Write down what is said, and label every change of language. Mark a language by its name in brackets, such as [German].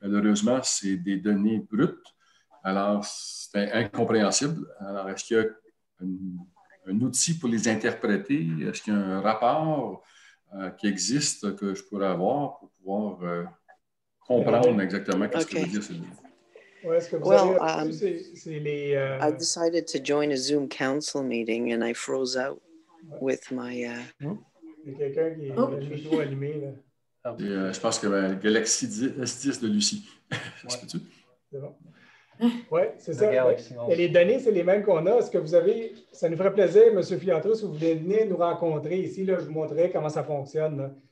[French] Malheureusement, c'est des données brutes. Alors, c'est incompréhensible. Alors, est-ce qu'il y a un outil pour les interpréter? Est-ce qu'il y a un rapport qui existe que je pourrais avoir pour pouvoir comprendre exactement qu'est-ce que veut dire ce livre? Est-ce que vous avez... [English] I decided to join a Zoom council meeting and I froze out with my... [French] Il y a quelqu'un qui a le micro allumé. Je pense que la Galaxy S10 de Lucie. Ouais. C'est bon. Oui, c'est ça. Et les données, c'est les mêmes qu'on a. Est-ce que vous avez... Ça nous ferait plaisir, M. Fiantro, si vous venez nous rencontrer ici, là, je vous montrerai comment ça fonctionne.